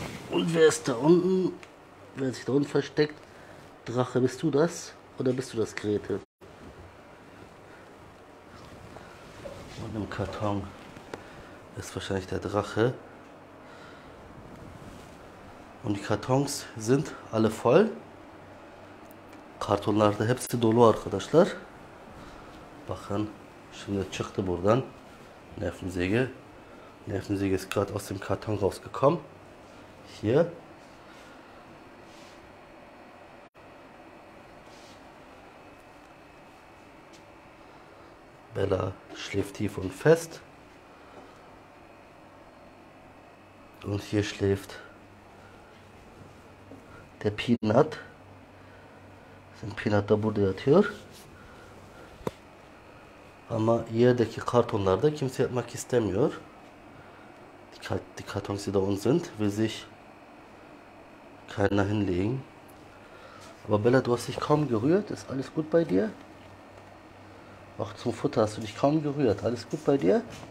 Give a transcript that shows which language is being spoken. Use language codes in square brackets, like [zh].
[de] Und wer ist da unten? Wer hat sich da unten versteckt? Drache, bist du das? Oder bist du das, Grete? Und im Karton. Ist wahrscheinlich der Drache. Und die Kartons sind alle voll. [tr] Kartonlarda hepsi dolu arkadaşlar. Bakın, şimdi çıktı buradan. [de] Nervensäge. Nervensäge ist gerade aus dem Karton rausgekommen. Hier. Bella schläft tief und fest. Und hier schläft der Peanut. [tr] Sind Peanut da burada yatıyor. Ama yerdeki kartonlarda kimse yatmak istemiyor. [de] Die Kartons, die da unten sind, will sich keiner hinlegen. Aber Bella, du hast dich kaum gerührt. Ist alles gut bei dir? Auch zum Futter hast du dich kaum gerührt. Alles gut bei dir?